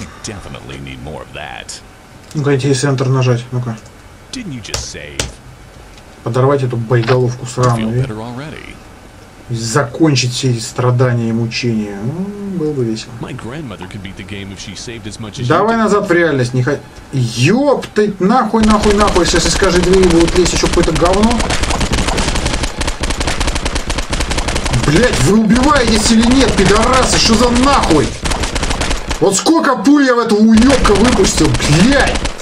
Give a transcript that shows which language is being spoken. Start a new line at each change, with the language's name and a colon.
English: You definitely need more of that.
Russian: Ну-ка, я тебе центр нажать, ну-ка.
English: Didn't you just save?
Russian: Подорвать эту боеголовку сраную и закончить все эти страдания и мучения. Ну, было бы весело.
English: My grandmother could beat the game if she saved as much as you.
Russian: Давай назад в реальность, не хоть. Ёптать, нахуй, нахуй, нахуй, сейчас из каждой двери будут лезть еще какое-то говно. Блять, вы убиваетесь или нет, пидорасы, что за нахуй? Вот сколько пуль я в этого уёбка выпустил, блять!